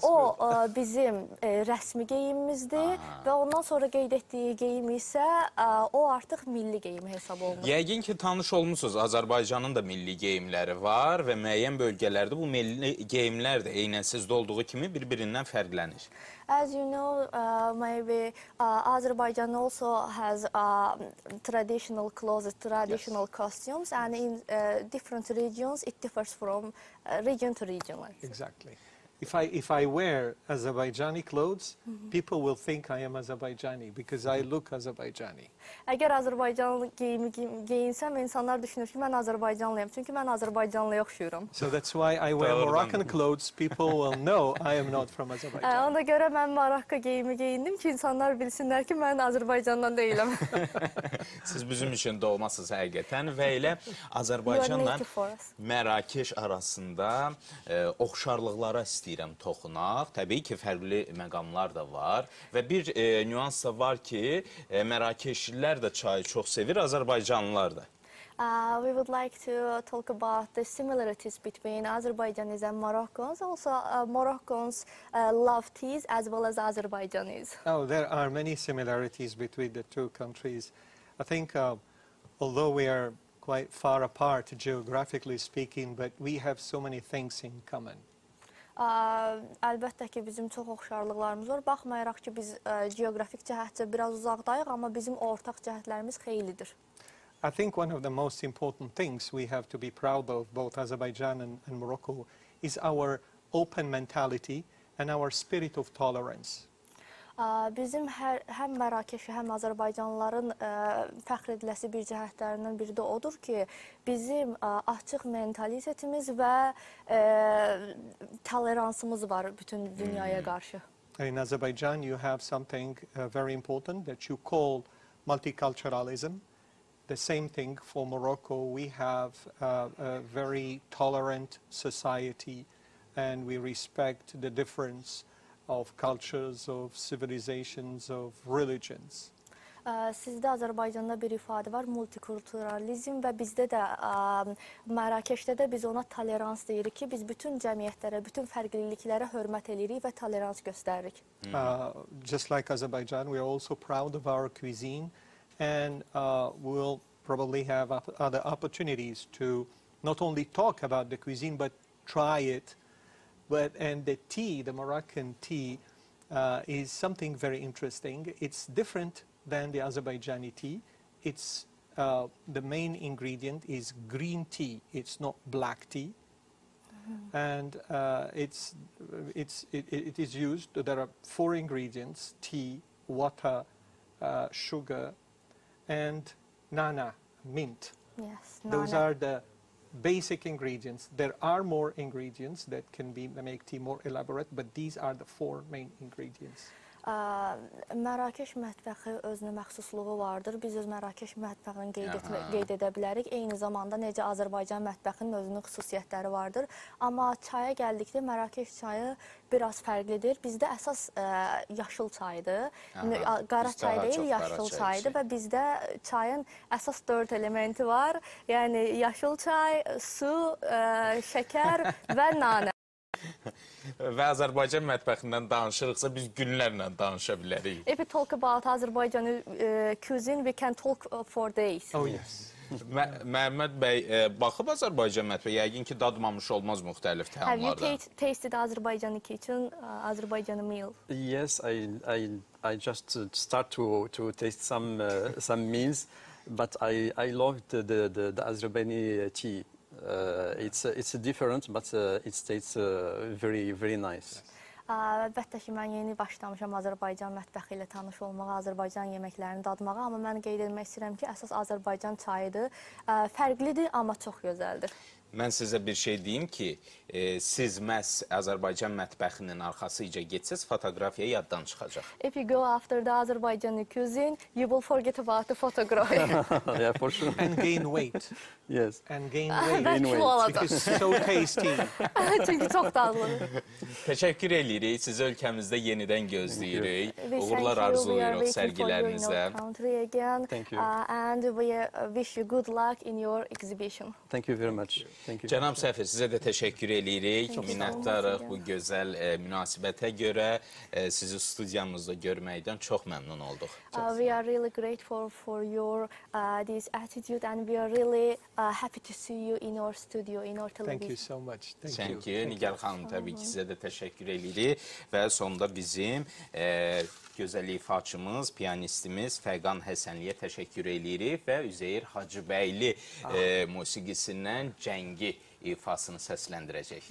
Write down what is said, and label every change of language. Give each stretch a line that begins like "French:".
Azerbaijani: o bizim rəsmi geyimimizdir və ondan sonra qeyd etdiyi geyim isə o artıq milli geyim hesab olunur. Yəqin ki, tanış olmuşsunuz, Azərbaycanın da milli geyimləri var və müəyyən bölgələrdə bu milli geyimlər də eynəsizdə olduğu kimi bir-birindən fərqlənir.
English: As you know, maybe Azerbaijan also has traditional clothes, traditional yes. costumes, and in different regions it differs from region to region. Exactly. If I wear Azerbaijani clothes, people will think I am Azerbaijani because I look Azerbaijani.
Azerbaijani: Əgər Azərbaycan geyinsəm, insanlar düşünür ki, mən Azərbaycanlıyam, çünki mən Azərbaycanlıya oxşuyuram.
English: So that's why I wear Moroccan clothes, people will know I am not from Azerbaijan.
Azerbaijani: Ona görə mən Marakka geyimi geyindim ki, insanlar bilsinlər ki, mən Azərbaycandan deyiləm. Siz bizim üçün doğmasız həqiqətən və elə Azərbaycanla Mərakeş arasında oxşarlıqlara istəyirəm. istəyirəm toxunaq. Təbii ki, fərqli məqamlar da var. Və bir nüans da var ki, Mərakeşlilər də çayı çox sevir, Azərbaycanlılar da.
English: We would like to talk about the similarities between Azerbaijanis and Moroccans. Also, Moroccans love teas as well as Azerbaijanis. Oh, there are many similarities between the two countries. I think although we are quite far apart geographically speaking, but we have so many things in common.
Azerbaijani: Əlbəttə ki, bizim çox oxşarlıqlarımız var. Baxmayaraq ki, biz geografik cəhətcə biraz uzaqdayıq, amma bizim ortaq cəhətlərimiz xeylidir.
English: I think one of the most important things we have to be proud of, both Azerbaijan and Morocco, is our open mentality and our spirit of tolerance.
Azerbaijani: Bizim həm Mərakeşi, həm Azərbaycanlıların fəxr ediləsi bir cəhətlərindən biri də odur ki, bizim açıq mentalitetimiz və toleransımız var bütün dünyaya qarşı.
English: In Azerbaijan, you have something very important that you call multiculturalism. The same thing for Morocco. We have a very tolerant society and we respect the difference of cultures, of civilizations, of religions.
Azerbaijani: Sizdə Azərbaycanda bir ifadə var, multikulturalizm və bizdə də, Mərakeşdə də biz ona tolerans deyirik ki, biz bütün cəmiyyətlərə, bütün fərqliliklərə hörmət edirik və tolerans göstəririk.
English: Just like Azerbaijan, we are also proud of our cuisine and we'll probably have other opportunities to not only talk about the cuisine but try it. And the tea, the Moroccan tea, is something very interesting. It's different than the Azerbaijani tea. It's the main ingredient is green tea. It's not black tea. Mm-hmm. And it is used. There are four ingredients: tea, water, sugar, and nana, mint. Yes, those are the basic ingredients. There are more ingredients that can be make tea more elaborate, but these are the four main ingredients.
Azerbaijani: Mərakeş mətbəxi özünə məxsusluğu vardır. Biz öz Mərakeş mətbəxini qeyd edə bilərik. Eyni zamanda necə Azərbaycan mətbəxinin özünün xüsusiyyətləri vardır. Amma çaya gəldikdə Mərakeş çayı biraz fərqlidir. Bizdə əsas yaşıl çaydır. Qara çay deyil, yaşıl çaydır. Və bizdə çayın əsas dörd elementi var. Yəni, yaşıl çay, su, şəkər və nanə. Və Azərbaycan mətbəxindən danışırıqsa, biz günlərlə danışa bilərik.
English: If we talk about Azerbaijan cuisine, we can talk for days. Oh, yes.
Azerbaijani: Məhəmməd bəy, baxıb Azərbaycan mətbəxi, yəqin ki, dadmamış olmaz müxtəlif təamlarda.
English: Have you tasted Azerbaijan kitchen, Azerbaijan meal? Yes, I just start to taste some meals, but I loved the Azerbaijani tea. It's different, but it tastes very, very nice.
Azerbaijani: Əlbəttə ki, mən yeni başlamışam Azərbaycan mətbəxi ilə tanış olmağa, Azərbaycan yeməklərini dadmağa, amma mən qeyd etmək istəyirəm ki, əsas Azərbaycan çayıdır. Fərqlidir, amma çox gözəldir. Mən sizə bir şey deyim ki, siz məhz Azərbaycan mətbəxinin arxasıca getsəz, fotoqrafiya yaddan çıxacaq.
English: If you go after the Azerbaijan cuisine, you will forget about the photograph. Yeah, for sure. And gain weight. Yes. And gain weight. Gain weight. Because so tasty.
Azerbaijani: Çünki çox dadlıdır. Təşəkkür edirik. Sizi ölkəmizdə yenidən gözləyirik. Uğurlar arzulayırıq sərgilərinizə.
English: We are waiting for you in our country again. Thank you. And we wish you good luck in your exhibition. Thank you very much.
Azerbaijani: Cənab Səfir, sizə də təşəkkür edirik. Minnətdarıq bu gözəl münasibətə görə. Sizi studiyamızda görməkdən çox məmnun olduq.
English: We are really grateful for your this attitude and we are really happy to see you in our studio, in our television. Thank you so much. Thank you.
Azerbaijani: Nigar xanım, təbii ki, sizə də təşəkkür edirik. Və sonda bizim gözəl ifaçımız, piyanistimiz Fəqan Həsənliyə təşəkkür edirik və Üzeyir Hacıbəyli musiqisindən Cəngi ifasını səsləndirəcək.